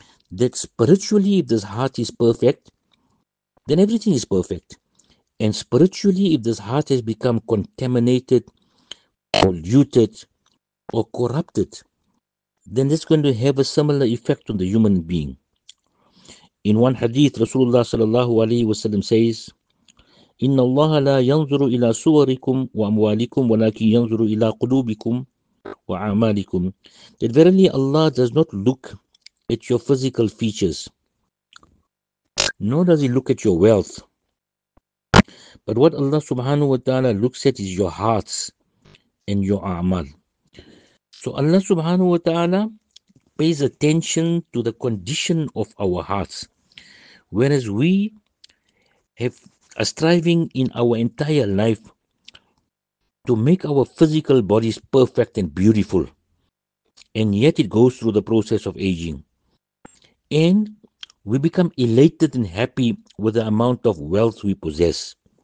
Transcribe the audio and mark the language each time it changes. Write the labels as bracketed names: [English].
[English] That spiritually, if this heart is perfect, then everything is perfect. And spiritually, if this heart has become contaminated, polluted, or corrupted, then it's going to have a similar effect on the human being. In one hadith, Rasulullah sallallahu alayhi wa sallam says, [Arabic] إن الله لا ينظر إلى صوركم وأموالكم ولكن ينظر إلى قلوبكم وأعمالكم. [English] That verily Allah does not look at your physical features, nor does He look at your wealth. But what Allah subhanahu wa ta'ala looks at is your hearts and your a'mal. So Allah subhanahu wa ta'ala pays attention to the condition of our hearts, whereas we have a striving in our entire life to make our physical bodies perfect and beautiful, and yet it goes through the process of aging, and we become elated and happy with the amount of wealth we possess.